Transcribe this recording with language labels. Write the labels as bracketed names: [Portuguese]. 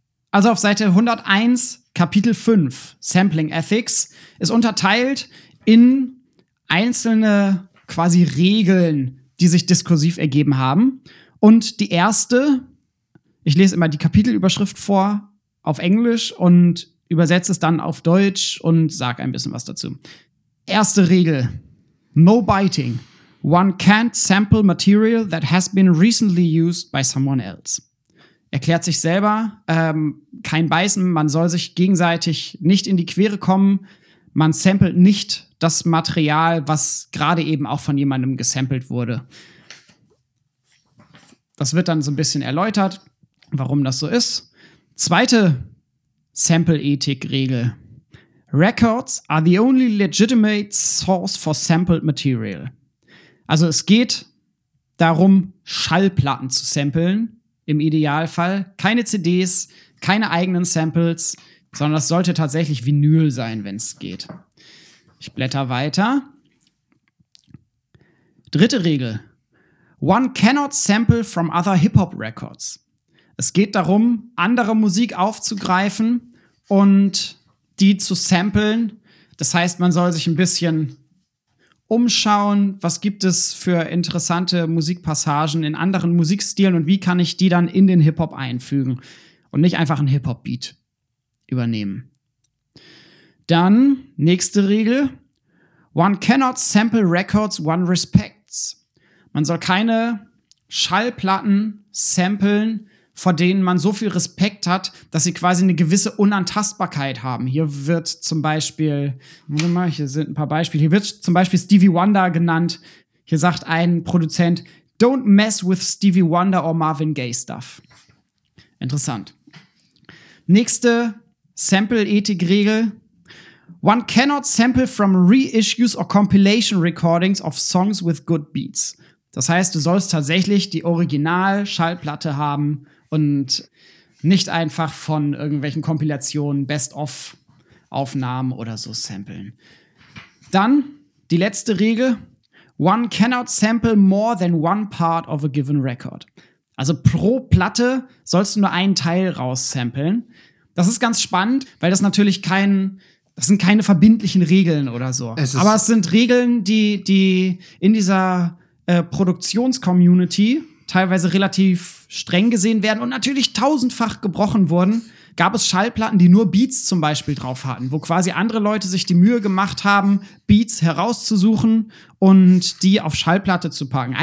[German] Also auf Seite 101, Kapitel 5, Sampling Ethics, ist unterteilt in einzelne quasi Regeln, die sich diskursiv ergeben haben. Und die erste, ich lese immer die Kapitelüberschrift vor auf Englisch und übersetze es dann auf Deutsch und sage ein bisschen was dazu. Erste Regel, [English] no biting. One can't sample material that has been recently used by someone else. [German] Erklärt sich selber, kein Beißen, man soll sich gegenseitig nicht in die Quere kommen. Man samplet nicht das Material, was gerade eben auch von jemandem gesampelt wurde. Das wird dann so ein bisschen erläutert, warum das so ist. Zweite Sample-Ethik-Regel. [English] Records are the only legitimate source for sampled material. [German] Also es geht darum, Schallplatten zu samplen. Im Idealfall keine CDs, keine eigenen Samples, sondern es sollte tatsächlich Vinyl sein, wenn es geht. Ich blätter weiter. Dritte Regel. [English] One cannot sample from other Hip-Hop Records. [German] Es geht darum, andere Musik aufzugreifen und die zu samplen. Das heißt, man soll sich ein bisschen umschauen, was gibt es für interessante Musikpassagen in anderen Musikstilen und wie kann ich die dann in den Hip-Hop einfügen und nicht einfach einen Hip-Hop-Beat übernehmen. Dann, nächste Regel, [English] one cannot sample records one respects. [German] Man soll keine Schallplatten samplen, vor denen man so viel Respekt hat, dass sie quasi eine gewisse Unantastbarkeit haben. Hier wird zum Beispiel, hier sind ein paar Beispiele, hier wird zum Beispiel Stevie Wonder genannt. Hier sagt ein Produzent, [English] don't mess with Stevie Wonder or Marvin Gaye stuff. [German] Interessant. Nächste Sample-Ethik-Regel. [English] One cannot sample from reissues or compilation recordings of songs with good beats. [German] Das heißt, du sollst tatsächlich die Original-Schallplatte haben und nicht einfach von irgendwelchen Kompilationen, Best-of-Aufnahmen oder so samplen. Dann die letzte Regel. [English] One cannot sample more than one part of a given record. [German] Also pro Platte sollst du nur einen Teil raussamplen. Das ist ganz spannend, weil das natürlich kein, das sind keine verbindlichen Regeln oder so. Aber es sind Regeln, die in dieser Produktions-Community teilweise relativ streng gesehen werden und natürlich tausendfach gebrochen wurden, gab es Schallplatten, die nur Beats zum Beispiel drauf hatten, wo quasi andere Leute sich die Mühe gemacht haben, Beats herauszusuchen und die auf Schallplatte zu packen.